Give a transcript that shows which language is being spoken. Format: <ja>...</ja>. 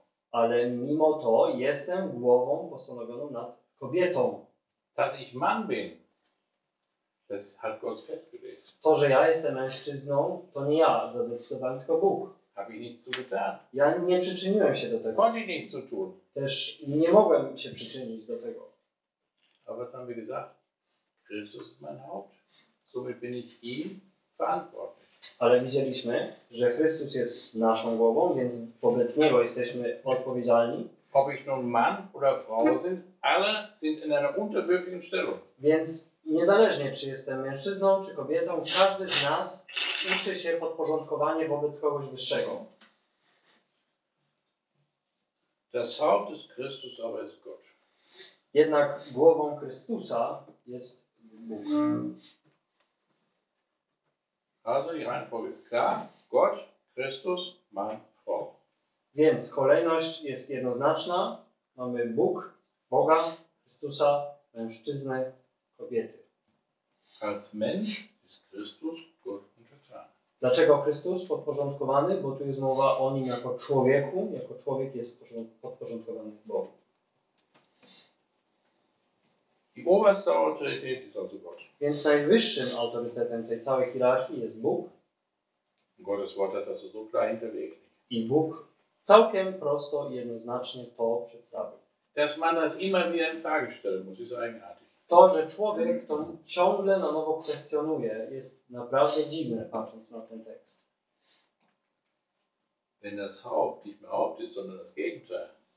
<pl>Ale mimo to jestem głową postanowioną nad kobietą.</pl> <de>Dass ich Mann bin, das hat Gott festgelegt.</de> <pl>To, że ja jestem mężczyzną, to nie ja zadecydowałem, tylko Bóg.</pl> <de>Hab ich nichts zu getan.</de> <pl>Ja nie przyczyniłem się do tego.</pl> <de>Konnte ich nichts zu tun.</de> <pl>Też nie mogłem się przyczynić do tego.</pl> <de>Aber was haben wir gesagt? Christus ist mein Haupt. Somit bin ich ihm verantwortlich.</de> <pl>Ale widzieliśmy, że Chrystus jest naszą głową, więc wobec Niego jesteśmy odpowiedzialni.</pl> <de>Ob ich nun Mann oder Frau sind, alle sind in einer unterwürfigen Stellung.</de> <pl>Więc niezależnie, czy jestem mężczyzną, czy kobietą, każdy z nas uczy się podporządkowanie wobec kogoś wyższego.</pl> <de>Das Haupt ist Christus, aber ist Gott.</de> <pl>Jednak głową Chrystusa jest Bóg.</pl> <de>Also die Reihenfolge ist klar. Gott, Christus, Mann, Frau.</de> <pl>Więc kolejność jest jednoznaczna. Mamy Bóg, Boga, Chrystusa, mężczyznę, kobiety.</pl> <de>Als Mensch ist Christus Gott untertan.</de> <pl>Dlaczego Chrystus podporządkowany? Bo tu jest mowa o nim jako człowieku. Jako człowiek jest podporządkowany Bogu.</pl> <de>Die oberste Autorität ist also Gott.</de> <pl>Więc najwyższym autorytetem tej całej hierarchii jest Bóg.</pl> <de>Gottes Wort hat das so klar hinterlegt.</de> <pl>I Bóg całkiem prosto i jednoznacznie to przedstawił.</pl> <de>Dass man das immer wieder in Frage stellen muss, ist eigenartig.</de> <pl>To, że człowiek to ciągle na nowo kwestionuje, jest naprawdę dziwne, patrząc na ten tekst.</pl> <de>Wenn das Haupt nicht mehr Haupt ist, sondern das Gegenteil.</de>